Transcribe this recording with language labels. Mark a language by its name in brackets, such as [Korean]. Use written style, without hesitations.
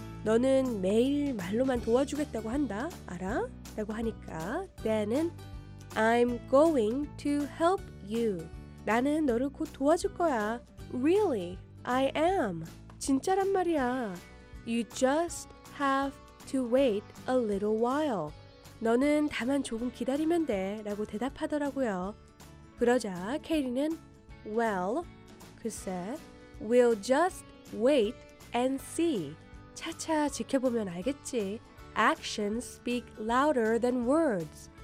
[Korean] 너는 매일 말로만 도와주겠다고 한다, 알아? 라고 하니까 댄은 [English] I'm going to help you. [Korean] 나는 너를 곧 도와줄 거야. [English] Really, I am. [Korean] 진짜란 말이야. [English] You just have to wait a little while. [Korean] 너는 다만 조금 기다리면 돼 라고 대답하더라고요. 그러자 케이디는 [English] Well, [Korean] 글쎄, [English] we'll just wait and see. [Korean] 차차 지켜보면 알겠지. [English] Actions speak louder than words.